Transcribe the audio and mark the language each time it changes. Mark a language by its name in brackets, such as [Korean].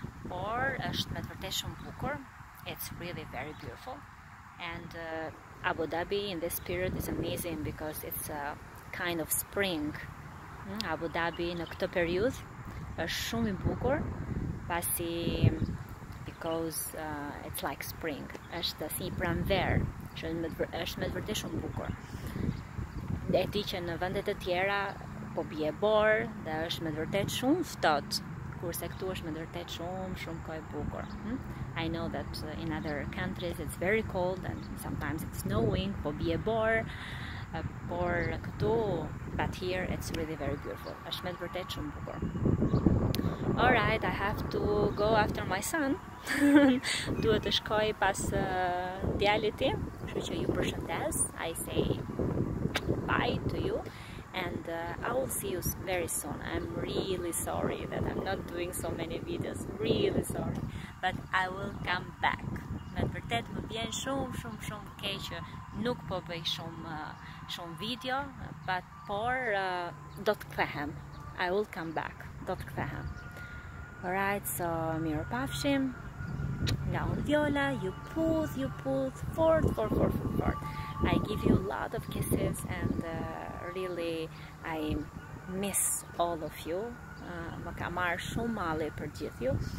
[Albanian] Or është me vërtet shumë bukur. [English] It's really very beautiful. And Abu Dhabi in this period is amazing because it's a kind of spring. [Albanian] Abu Dhabi në këtë periudhë është shumë I bukur. Pasi [English] because it's like spring. [Albanian] Është si pranverë, është me vërtet shumë bukur. E di që në vendet e tjera po bie borë dhe është me vërtet shumë ftohtë, kurse këtu është me vërtet shumë kohë e bukur. [English] I know that in other countries it's very cold and sometimes it's snowing, [Albanian] po bie borë, por këtu, [English] but here it's really very beautiful. [Albanian] Është me vërtet shumë bukur. [English] All right, I have to go after my son. [Albanian] Duhet të shkoj pas djalit tim. Kështu që ju përshëndes. [English] I say bye to you and I will see you very soon. I'm really sorry that I'm not doing so many videos. Really sorry, but I will come back. [Albanian] Me vërtet më vjen shumë keq që nuk po bëj shumë video, [English] but [Albanian] por do të kthehem. [English] I will come back. [Albanian] Do të kthehem. [English] Alright, so [Albanian] mirëpafshim. Nga unë Viola, [English] you put fort. I give you a lot of kisses and really I miss all of you. [Albanian] Më ka marrë shumë malli për gjithë ju.